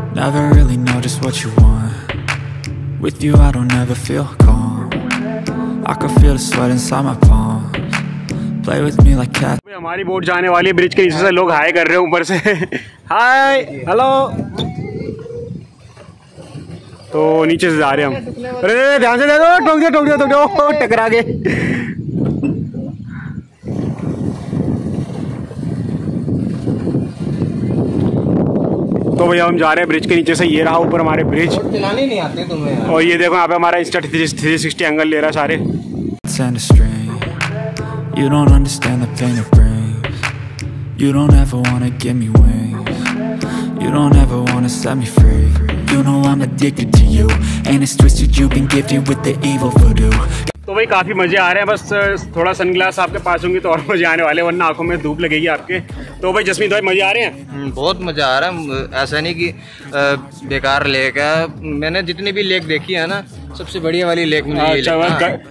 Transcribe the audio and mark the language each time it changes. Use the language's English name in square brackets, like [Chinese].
[English] Never really know just what you want. With you I don't ever feel calm. I can feel the sweat inside my palm. Play with me like cat. [Hindi] हमारी boat जाने वाली है bridge के नीचे से, लोग हाय कर रहे हैं ऊपर से. Hi hello. तो नीचे से जा रहे हम. अरे ध्यान से देखो, ठोक दिया ठोक दिया ठोक दिया, टकरा गए. तो भैया हम जा रहे हैं ब्रिज के नीचे से, ये रहा ऊपर हमारे ब्रिज. चलाने नहीं आते तुम्हें यार. और ये देखो यहाँ पे हमारा इंस्टा 360 एंगल ले रहा सारे. [English] You don't understand the pain it brings. You don't ever wanna give me wings. You don't ever wanna set me free. You know I'm addicted to you. And it's twisted, you've been gifted with the evil voodoo. [Hindi] तो भाई काफी मजे आ रहे हैं, बस थोड़ा sunglass आपके पास होंगे तो और मजे आने वाले, वरना आंखों में धूप लगेगी आपके. तो भाई जसमीत भाई मजे आ रहे हैं? बहुत मजा आ रहा है. ऐसा नहीं कि बेकार लेक है, मैंने जितनी भी लेक देखी है ना, सबसे बढ़िया वाली लेक मुझे ये लगी.